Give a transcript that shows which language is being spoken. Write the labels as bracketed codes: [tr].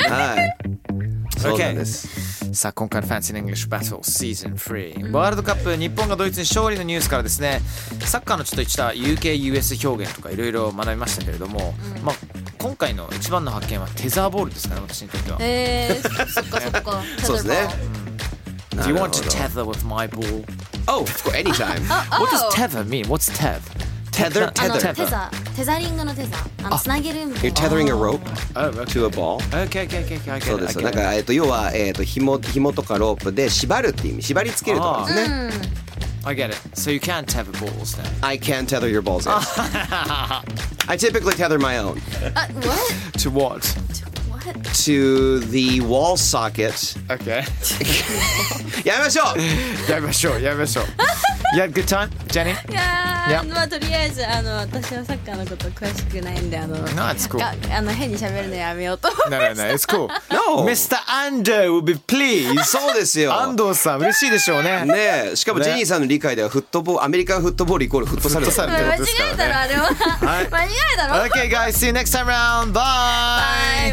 [ja] ね、はい、そうなんです。さあ、今回のファンシー・イングリッシュ・バトル・シーズン3ワールドカップ日本がドイツに勝利のニュースからですね、サッカーのちょっと言った UK-US 表現とかいろいろ学びましたけれども、うん、まあ、今回の一番の発見はテザーボールですかね、私にとっては。そっかそっか。そうですね。 [en] Do you want to tether with my ball? Oh, of course, anytime. What does tether mean? What's tether? Tether? Tether. Tether. [ja] Tethering のテザー。あ、つなげる。 [en] You're tethering a rope to a ball. Okay. [ja] そうです。なんか、要は、紐とかロープで縛るって意味。縛り付けるとかですね。 [en] I get it. So you can tether balls then. I can tether your balls. Yes. I typically tether my own. What? To what? To what? To the wall socket. Okay. [ja] やめましょう。やめましょう。やめましょう。 [en] You had a good time, Jenny? いやー、yep. [ja] まあ、とりあえず私はサッカーのこと詳しくないんで [en] No, it's cool. [ja] 変に喋るのやめようと思いました。 [en] No, it's cool. No! Mr. Ando will be pleased. [ja] そうですよ。安藤さん、嬉しいでしょうね。ねえ、しかもジェニーさんの理解ではフットボール、アメリカンフットボールイコールフットサルってことですからね。間違えたろ、あれは。間違えたろ。 [en] Okay, guys, see you next time around. Bye!